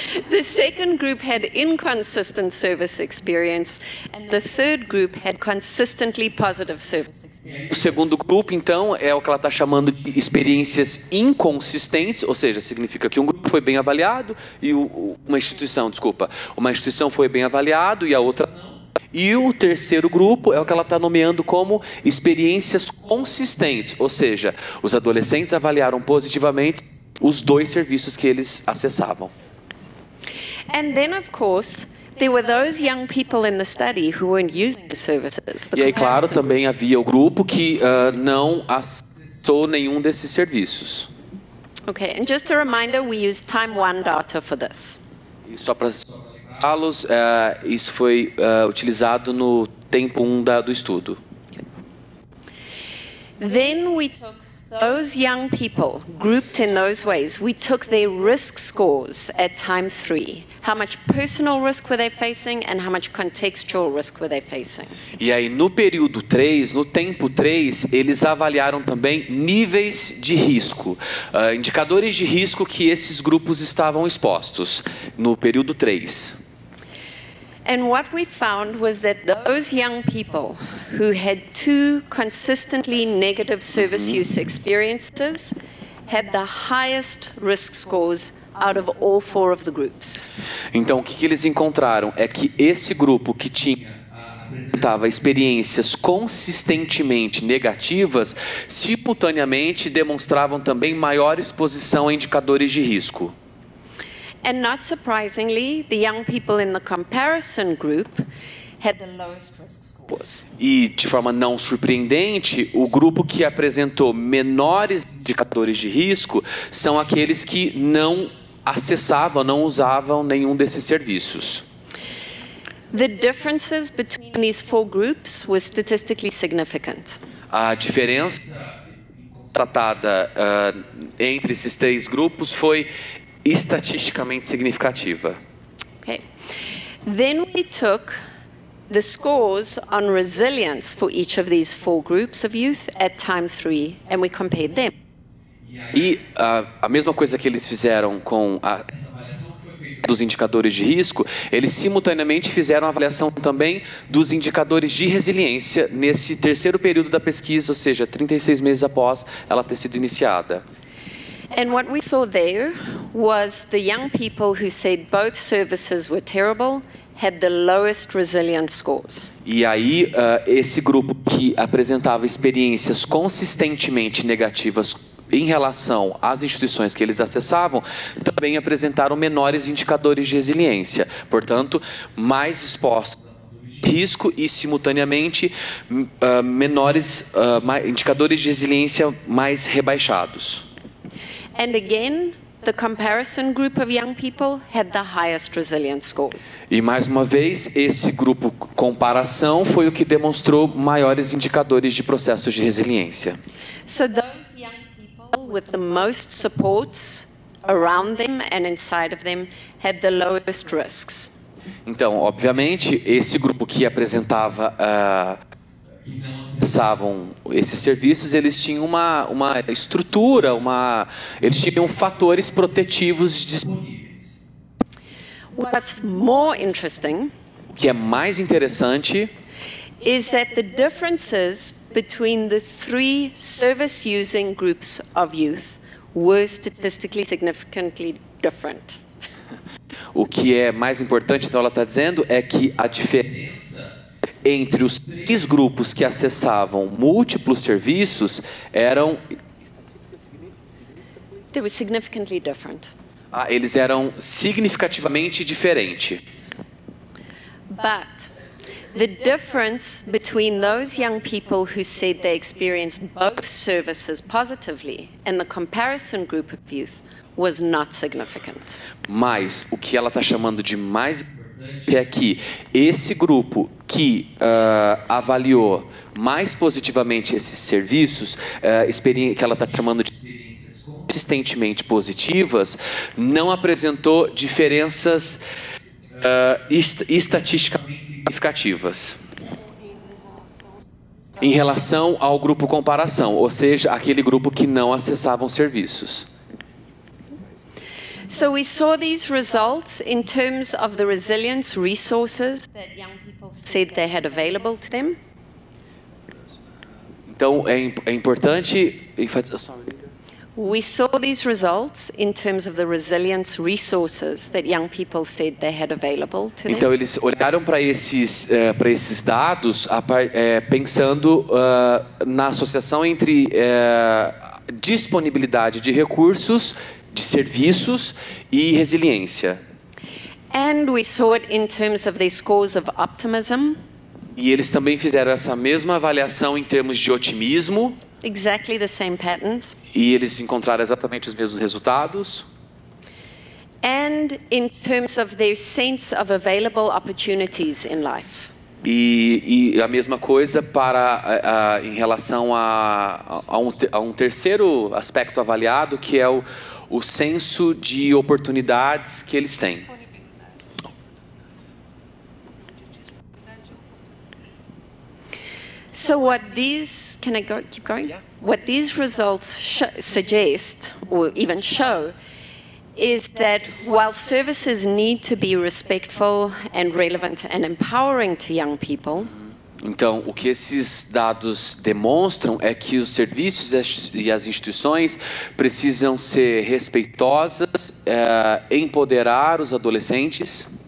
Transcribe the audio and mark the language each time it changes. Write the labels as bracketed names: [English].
[English] The second group had inconsistent service experience, and the third group had consistently positive service experience. [Portuguese] O segundo grupo, então, é o que ela está chamando de experiências inconsistentes, ou seja, significa que um grupo foi bem avaliado e uma instituição foi bem avaliado e a outra não. E o terceiro grupo é o que ela está nomeando como experiências consistentes, ou seja, os adolescentes avaliaram positivamente os dois serviços que eles acessavam. [English] And then, of course, there were those young people in the study who weren't using the services. [Portuguese] E aí, claro, também havia o grupo que não acessou nenhum desses serviços. [English] Okay, and just a reminder, we used time one data for this. [Portuguese] E só para lembrá-los, isso foi utilizado no tempo 1 do estudo. [English] Then we took those young people grouped in those ways. We took their risk scores at time 3. How much personal risk were they facing and how much contextual risk were they facing? [Portuguese] E aí no período 3, no tempo 3, eles avaliaram também níveis de risco, indicadores de risco que esses grupos estavam expostos no período 3. [English] And what we found was that those young people who had two consistently negative service use experiences had the highest risk scores out of all four of the groups. [Portuguese] Então, o que eles encontraram é que esse grupo que apresentava experiências consistentemente negativas, simultaneamente demonstravam também maior exposição a indicadores de risco. [English] And not surprisingly, the young people in the comparison group had the lowest risk scores. [Portuguese] E de forma não surpreendente, o grupo que apresentou menores indicadores de risco são aqueles que não acessavam, não usavam nenhum desses serviços. [English] The differences between these four groups were statistically significant. [Portuguese] A diferença tratada entre esses três grupos foi estatisticamente significativa. [English] Okay. Then we took the scores on resilience for each of these four groups of youth at time three, and we compared them. [Portuguese] E a mesma coisa que eles fizeram com a dos indicadores de risco, eles simultaneamente fizeram a avaliação também dos indicadores de resiliência nesse terceiro período da pesquisa, ou seja, 36 meses após ela ter sido iniciada. [English] And what we saw there was the young people who said both services were terrible had the lowest resilience scores. [Portuguese] E aí, esse grupo que apresentava experiências consistentemente negativas em relação às instituições que eles acessavam, também apresentaram menores indicadores de resiliência. Portanto, mais expostos a risco e, simultaneamente, menores indicadores de resiliência mais rebaixados. [English] And again, the comparison group of young people had the highest resilience scores. [Portuguese] E mais uma vez, esse grupo comparação foi o que demonstrou maiores indicadores de processos de resiliência. [English] So those young people with the most supports around them and inside of them had the lowest risks. [Portuguese] Então, obviamente, esse grupo que apresentava acessavam esses serviços, eles tinham uma estrutura, eles tinham fatores protetivos disponíveis. [English] What's more interesting, [Portuguese] o que é mais interessante, [English] is that the differences between the three service-using groups of youth were statistically significantly different. [Portuguese] O que é mais importante, então, ela está dizendo, é que a diferença entre os três grupos que acessavam múltiplos serviços eram [English] they were significantly different. [Portuguese] Eles eram significativamente diferente. [English] But the difference between those young people who said they experienced both services positively and the comparison group of youth was not significant. [Portuguese] Mas o que ela está chamando de mais é que esse grupo que avaliou mais positivamente esses serviços, que ela está chamando de experiências consistentemente positivas, não apresentou diferenças estatisticamente significativas em relação ao grupo comparação, ou seja, aquele grupo que não acessavam serviços. [English] So we saw these results in terms of the resilience resources that young people said they had available to them. [Portuguese] Então é importante enfatizar. [English] We saw these results in terms of the resilience resources that young people said they had available to them. [Portuguese] Então eles olharam para esses dados pensando na associação entre disponibilidade de recursos de serviços e resiliência. [English] And we saw it in terms of the scores of optimism. [Portuguese] E eles também fizeram essa mesma avaliação em termos de otimismo. [English] Exactly the same patterns. [Portuguese] E eles encontraram exatamente os mesmos resultados. [English] And in terms of their sense of available opportunities in life. [Portuguese] E a mesma coisa para em relação a um terceiro aspecto avaliado, que é o senso de oportunidades que eles têm. [English] So what these can I go, keep going? Yeah. What these results suggest or even show is that while services need to be respectful and relevant and empowering to young people. [Portuguese] Então, o que esses dados demonstram é que os serviços e as instituições precisam ser respeitosas, empoderar os adolescentes.